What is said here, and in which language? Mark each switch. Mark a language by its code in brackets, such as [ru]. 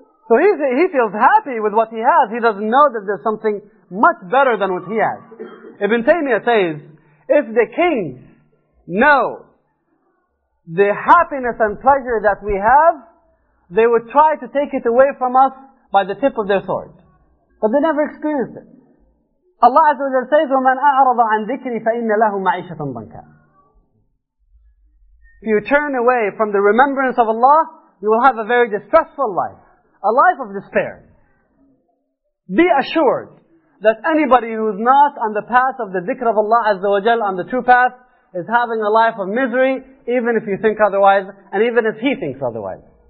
[en] So he feels happy with what he has. He doesn't know that there's something much better than what he has. Ibn Taymiyyah says, if the kings know the happiness and pleasure that we have, they would try to take it away from us by the tip of their sword. But they never experienced it. Allah Azza wa Jalla says, [ar] وَمَنْ أَعْرَضَ عَنْ ذِكْرِ فَإِنَّ لَهُ مَعِيشَةً ضَنْكًا. [en] If you turn away from the remembrance of Allah, you will have a very distressful life. A life of despair. Be assured that anybody who is not on the path of the dhikr of Allah Azza wa Jalla, on the true path, is having a life of misery, even if you think otherwise, and even if he thinks otherwise.